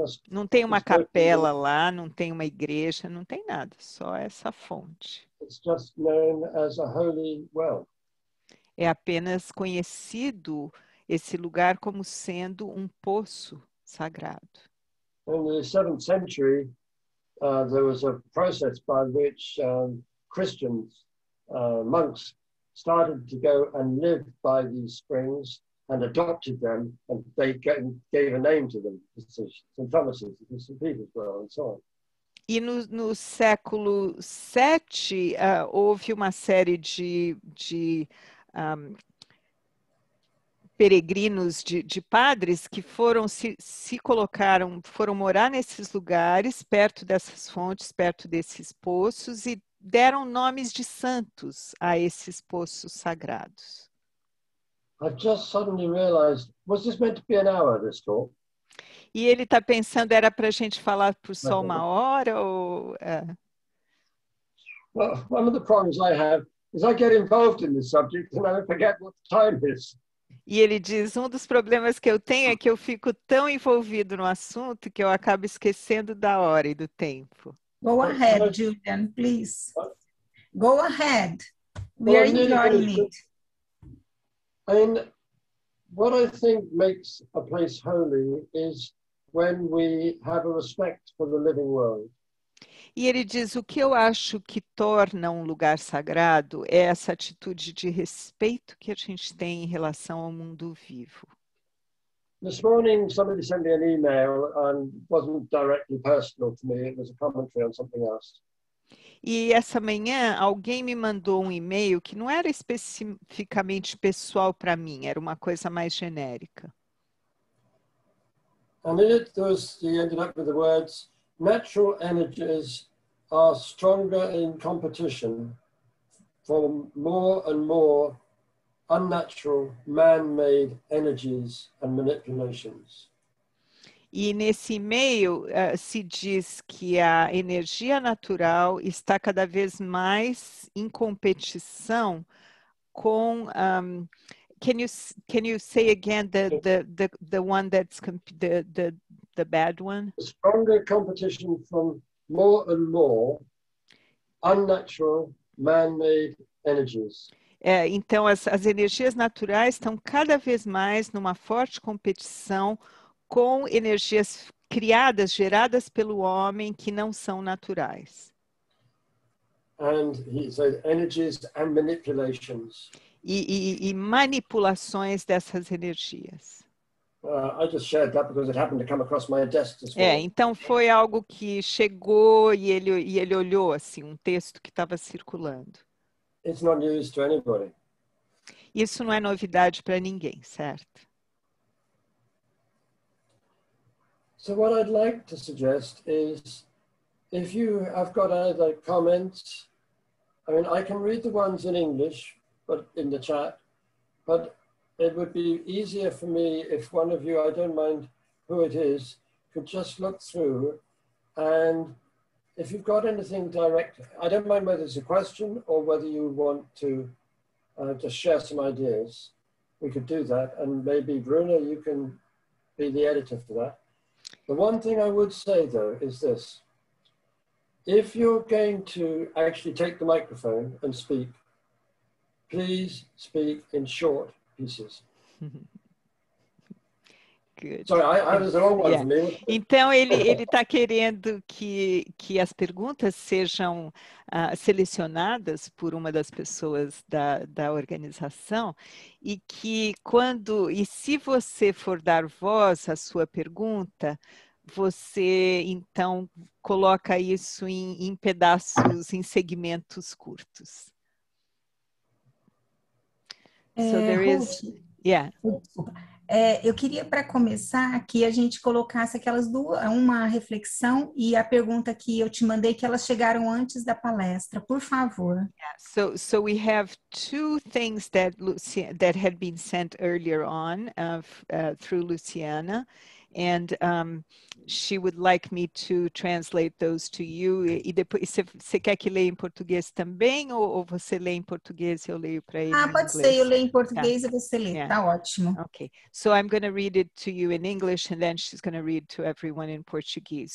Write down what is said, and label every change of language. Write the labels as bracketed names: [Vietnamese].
[Portuguese] Não tem uma capela lá, não tem uma igreja, não tem nada, só essa fonte. [English] It's just known as a holy well. [Portuguese] É apenas conhecido esse lugar como sendo um poço sagrado. [English] In the 7th century, there was a process by which Christians, monks, started to go and live by these springs and adopted them, and they gave a name to them, St. Thomas's, St. Peter's Well, and so on. [Portuguese] E no século 7, houve uma série de peregrinos, de padres que foram se colocaram, foram morar nesses lugares, perto dessas fontes, perto desses poços, e deram nomes de santos a esses poços sagrados. [English] I just suddenly realized, was this meant to be an hour, this talk? [Portuguese] E ele está pensando, era para a gente falar por só uma hora ou... [English] Well, one of the problems I have is I get involved in this subject and I forget what the time is. [Portuguese] E ele diz, um dos problemas que eu tenho é que eu fico tão envolvido no assunto que eu acabo esquecendo da hora e do tempo. [English] Go ahead, Julian, please. Go ahead. We are enjoying it. And what I think makes a place holy is when we have a respect for the living world. [Portuguese] E ele diz, o que eu acho que torna um lugar sagrado é essa atitude de respeito que a gente tem em relação ao mundo vivo. [English] This morning somebody sent me an email and wasn't directly personal to me, it was a commentary on something else. [Portuguese] E essa manhã alguém me mandou um e-mail que não era especificamente pessoal para mim, era uma coisa mais genérica. [English] And in it, he ended up with the words, natural energies are stronger in competition for more and more unnatural man-made energies and manipulations. [Portuguese] E nesse e-mail se diz que a energia natural está cada vez mais em competição com... [English] Can you say again the one that's the bad one? A stronger competition from more and more unnatural man-made energies. [Portuguese] Então as energias naturais estão cada vez mais numa forte competição com energias criadas, geradas pelo homem que não são naturais. [English] And he said energies and manipulations. [Portuguese] E manipulações dessas energias. [English] I just shared that because it happened to come across my desk as well. [Portuguese] Então foi algo que chegou e ele olhou assim, um texto que estava circulando. [English] It's not news to anybody. [Portuguese] Isso não é novidade para ninguém, certo? [English] So what I'd like to suggest is, if you have got other comments, I mean, I can read the ones in English, but in the chat, but it would be easier for me if one of you, I don't mind who it is, could just look through, and if you've got anything direct, I don't mind whether it's a question or whether you want to just share some ideas, we could do that, and maybe Bruno, you can be the editor for that. The one thing I would say though is this, if you're going to actually take the microphone and speak, please speak in short pieces. Good. Sorry, I was the wrong one. Yeah. [Portuguese] Então, ele está querendo que as perguntas sejam selecionadas por uma das pessoas da organização e que quando, e se você for dar voz à sua pergunta, você, então, coloca isso em, em pedaços, em segmentos curtos. [English] So there is... Yeah. [Portuguese] Eu queria, para começar, que a gente colocasse aquelas duas, uma reflexão e a pergunta que eu te mandei, que elas chegaram antes da palestra, por favor. [English] Yeah. So we have two things that that had been sent earlier on through Luciana, and she would like me to translate those to you. [Portuguese] E depois, você quer que leia em português também, ou você lê em português e eu leio para ele em inglês? Ah, pode ser, eu leio em português, tá. E você lê, yeah. Tá ótimo. [English] Okay, so I'm going to read it to you in English, and then she's going to read to everyone in Portuguese.